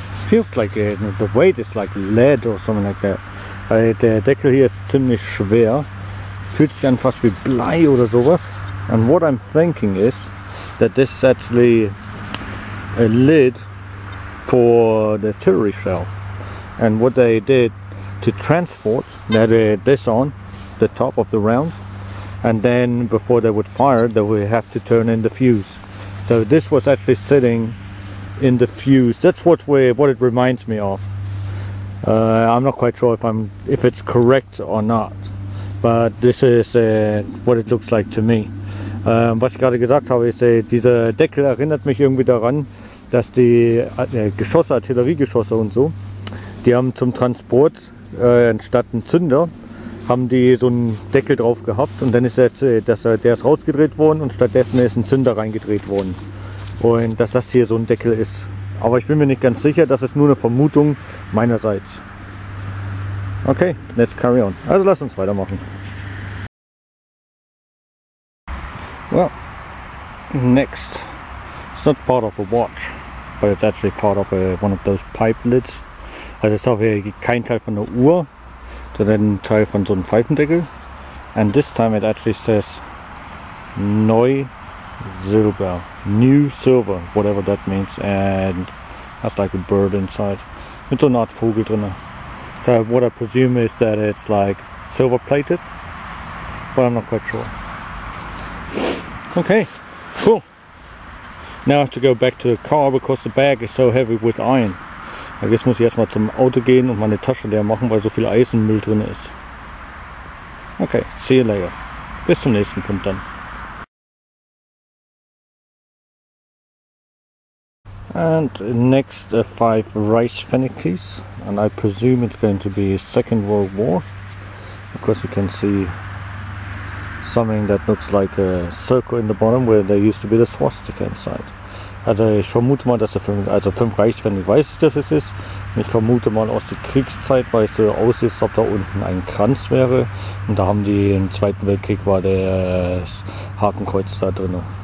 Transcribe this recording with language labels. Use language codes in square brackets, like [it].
[en] Feels like the weight is like lead or something like that. [de] Weil der Deckel hier ist ziemlich schwer. Fühlt sich an fast wie Blei oder sowas. [en] And what I'm thinking is that this is actually a lid for the artillery shell. And what they did to transport, they had this on the top of the round, and then before they would fire, they would have to turn in the fuse. So this was actually sitting in the fuse. That's what it reminds me of. I'm not quite sure if it's correct or not, but this is what it looks like to me. [de] Was ich gerade gesagt habe, ist, dieser Deckel erinnert mich irgendwie daran, dass die Geschosse, Artilleriegeschosse und so, die haben zum Transport anstatt einen Zünder, haben die so einen Deckel drauf gehabt und dann ist der ist rausgedreht worden und stattdessen ist ein Zünder reingedreht worden. Und dass das hier so ein Deckel ist. Aber ich bin mir nicht ganz sicher, das ist nur eine Vermutung meinerseits. [en] Okay, let's carry on. [de] Also lass uns weitermachen. [en] Well, next. It's not part of a watch, but it's actually part of one of those pipe lids. [de] Also es ist auch kein Teil von der Uhr, sondern ein Teil von so einem Pfeifendeckel. [en] And this time it actually says Neu Silber. New Silver, whatever that means. And has like a bird inside. [de] Mit so einer Art Vogel drin. [en] So what I presume is that it's like silver plated, but I'm not quite sure. Okay, cool. Now I have to go back to the car because the bag is so heavy with iron. [de] Jetzt muss ich erstmal zum Auto gehen und meine Tasche leer machen, weil so viel Eisenmüll drin ist. [en] Okay, see you later. [de] Bis zum nächsten Punkt dann. [en] And next five rice fennekes. And I presume it's going to be Second World War. Because you can see something that looks like a circle in the bottom where there used to be the swastika inside. [de] Also ich vermute mal, dass der Film, also 5 Reichsfennig weiß ich, dass es ist. Und ich vermute mal aus der Kriegszeit, weil es so aussieht, ob da unten ein Kranz wäre. Und da haben die im Zweiten Weltkrieg war der Hakenkreuz da drin.